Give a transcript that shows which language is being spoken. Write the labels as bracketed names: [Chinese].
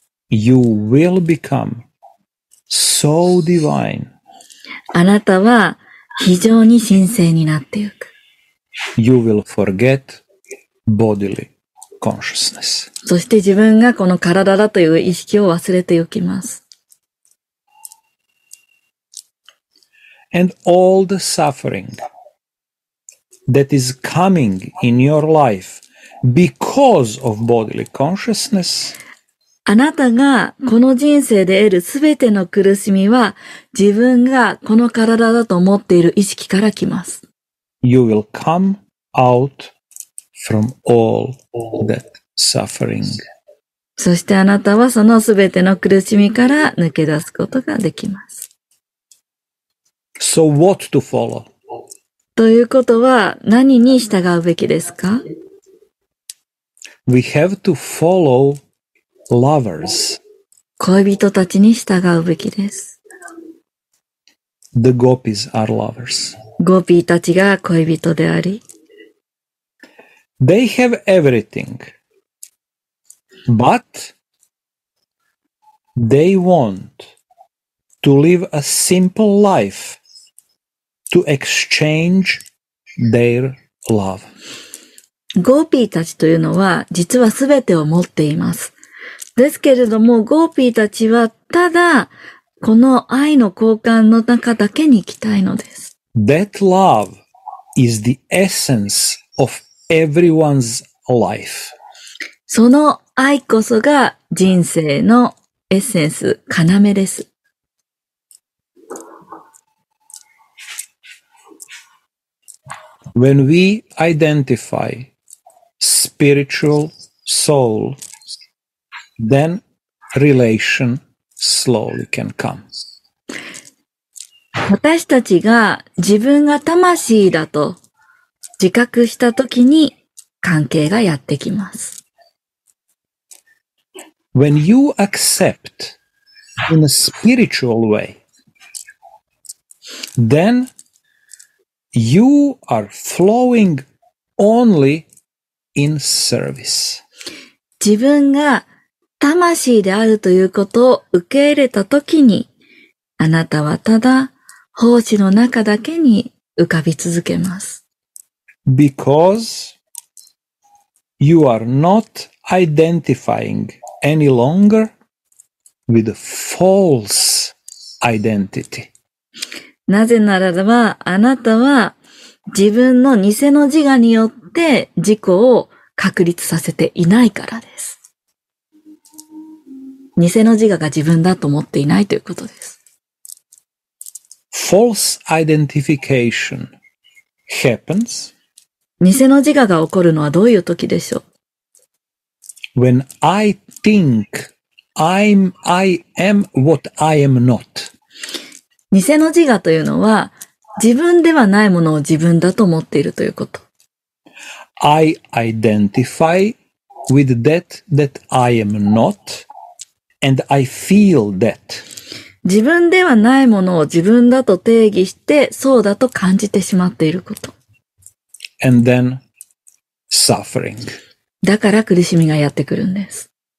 [English] you will become so divine. [Japanese] あなたは非常に神聖になっていく。 [English] You will forget bodily. Consciousness. [Japanese] そして自分がこの体だという意識を忘れておきます。 [English] And all the suffering that is coming in your life because of bodily consciousness, [Japanese] あなたがこの人生で得るすべての苦しみは自分がこの体だと思っている意識から来ます。 [English] You will come outFrom all that suffering. [Japanese] そしてあなたはそのすべての苦しみから抜け出すことができます。 [English] So what to follow? [Japanese] ということは何に従うべきですか? [English] We have to follow lovers. [Japanese] 恋人たちに従うべきです。 [English] The gopis are lovers. [Japanese] ゴピーたちが恋人であり、 [English] They have everything, but they want to live a simple life to exchange their love. [Japanese] ゴーピーたちというのは実はすべてを持っています。ですけれどもゴーピーたちはただこの愛の交換の中だけに行きたいのです。 [English] That love is the essence ofEveryone's life. [Japanese] その愛こそが人生のエッセンス、要です。 [English] When we identify spiritual soul, then relation slowly can come. [Japanese] 私たちが自分が魂だと自覚したときに関係がやってきます。 [English] When you accept in a spiritual way, then you are flowing only in service. [Japanese] 自分が魂であるということを受け入れたときに、あなたはただ奉仕の中だけに浮かび続けます。 [English] Because you are not identifying any longer with a false identity. [Japanese] なぜならば、あなたは自分の偽の自我によって自己を確立させていないからです。偽の自我が自分だと思っていないということです。 [English] False identification happens. [Japanese] 偽の自我が起こるのはどういう時でしょう？ [English] When I think I am what I am not. [Japanese] 偽の自我というのは、自分ではないものを自分だと思っているということ。 [English] I identify with that that I am not, and I feel that. [Japanese] 自分ではないものを自分だと定義して、そうだと感じてしまっていること。 [English] And then suffering. [Japanese] だから苦しみがやってくるんです。